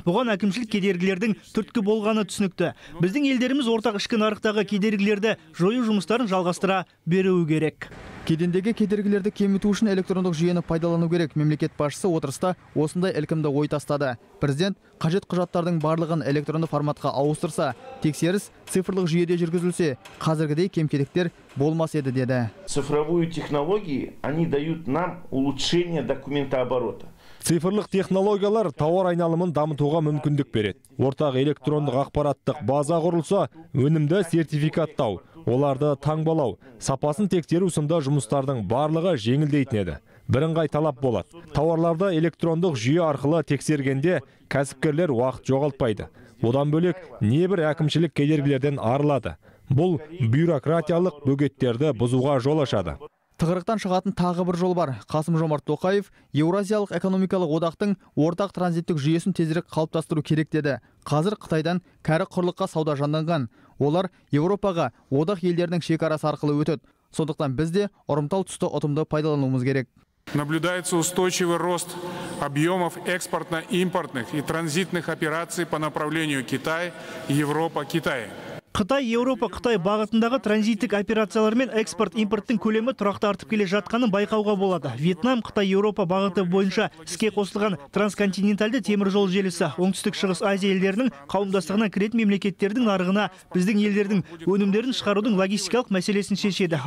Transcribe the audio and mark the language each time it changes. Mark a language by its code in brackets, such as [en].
[kk] Бұған әкімшілік кедергілердің түрткі болғаны түсінікті. Біздің елдеріміз ортақ ішкі нарықтағы кедергілерді жою жұмыстарын жалғастыра беруі керек. Кедендегі кедергілерді кеміту үшін электрондық жүйені пайдалану керек. Мемлекет басшысы отырыста осындай ілкімді ой тастады. Президент қажет құжаттардың барлығын электронды форматқа ауыстырса, тексеріс цифрлық жүйеде жүргізілсе, қазіргідей кем-кетіктер болмас еді деді. [ru] Цифровые технологии, они дают нам улучшение документооборота. [kk] Цифрлық технологиялар тауар айналымын дамытуға мүмкіндік береді. Ортақ электрондық ақпараттық база құрылса, өнімді сертификаттау, оларды таңбалау, сапасын тексеру сынды жұмыстардың барлығы жеңілдейтінеді. Бірыңғай талап болады. Тауарларды электрондық жүйе арқылы тексергенде кәсіпкерлер уақыт жоғалтпайды. Одан бөлек небір әкімшілік кедергілерден арылады. Бұл бюрократиялық бөгеттерді бұзуға жол ашады. Тығырықтан шығатын тағы бір жол бар. Қасым Жомарт Тоқаев Еуразиялық экономикалық одақтың ортақ транзиттік жүйесін тезірек қалыптастыру керек деді. Қазір Қытайдан кәрі құрлыққа сауда жанданған. Олар Еуропаға одақ елдерінің шекарасы арқылы өтеді. Сондықтан бізде ұрымтал тұсты ұтымды пайдалануымыз керек. [ru] Наблюдается устойчивый рост объемов экспортно-импортных и транзитных операций по направлению Китай, Европа, Китай. [kk] Қытай, Еуропа, Қытай бағытындағы транзиттік операциялар мен экспорт-импорттың көлемі тұрақты артып келе жатқанын байқауға болады. Вьетнам, Қытай, Еуропа бағыты бойынша іске қосылған трансконтиненталды темір жол желісі оңтүстік шығыс Азия елдерінің қауымдастығына кіретін мемлекеттердің нарығына біздің елдердің өнімдерін шығарудың логистикалық мәселесін шешеді.